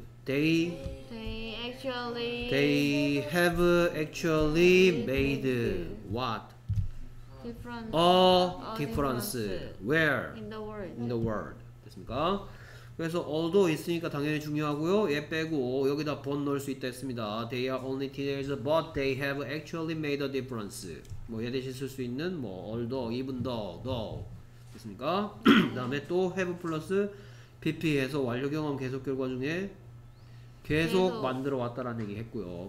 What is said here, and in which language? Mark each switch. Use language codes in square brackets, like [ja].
[en] They have actually made what? A difference. Where? In the world. [ko] 됐습니까? 그래서 although 있으니까 당연히 중요하고요. 얘 빼고 여기다 but 넣을 수 있다 했습니다. [en] They are only teenagers, but they have actually made a difference. [ko] 뭐 얘 대신 쓸 수 있는 뭐 although, even though. 됐습니까? 그 다음에 또 have 플러스 pp 해서 완료경험 계속 결과 중에 계속 만들어 왔다라는 얘기 했고요.